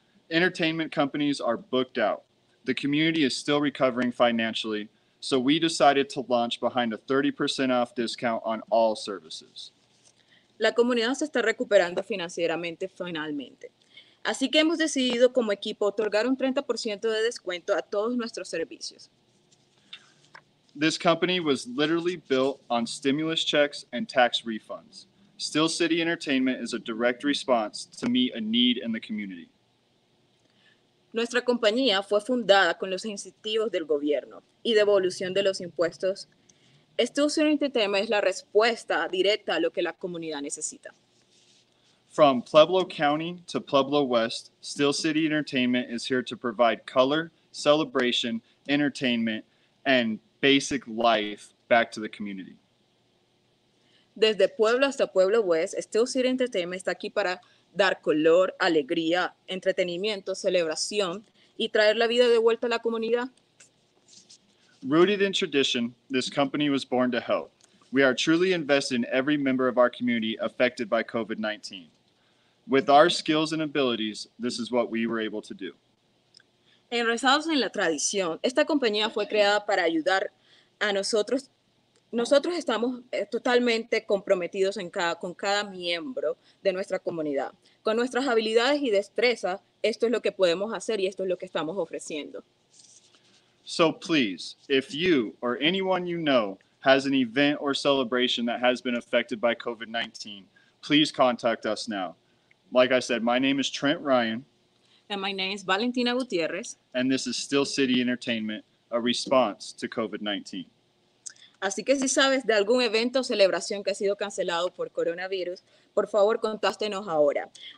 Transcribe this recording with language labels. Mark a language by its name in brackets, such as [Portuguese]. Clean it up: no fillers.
[English] Entertainment companies are booked out. The community is still recovering financially, so we decided to launch behind a 30% off discount on all services. [Spanish] La comunidad se está recuperando financieramente finalmente. Así que hemos decidido como equipo otorgar un 30% de descuento a todos nuestros servicios. [English] This company was literally built on stimulus checks and tax refunds. Still City Entertainment is a direct response to meet a need in the community. [Spanish] Nuestra compañía fue fundada con los incentivos del gobierno y devolución de los impuestos. Still City Entertainment es la respuesta directa a lo que la comunidad necesita. [English] From Pueblo County to Pueblo West, Still City Entertainment is here to provide color, celebration, entertainment, and basic life back to the community. [Spanish] Desde Pueblo hasta Pueblo West, Still City Entertainment está aquí para dar color, alegría, entretenimiento, celebración, y traer la vida de vuelta a la comunidad. [English] Rooted in tradition, this company was born to help. We are truly invested in every member of our community affected by COVID-19. With our skills and abilities, this is what we were able to do. [Spanish] Enraizados en la tradición, esta compañía fue creada para ayudar a nosotros. Nosotros estamos totalmente comprometidos con cada miembro de nuestra comunidad. Con nuestras habilidades y destreza, esto es lo que podemos hacer y esto es lo que estamos ofreciendo. [English] So please, if you or anyone you know has an event or celebration that has been affected by COVID-19, please contact us now. Like I said, my name is Trent Ryan. And my name is Valentina Gutierrez. And this is Still City Entertainment, a response to COVID-19. [Spanish] Así que si sabes de algún evento o celebración que ha sido cancelado por coronavirus, por favor, contáctenos ahora.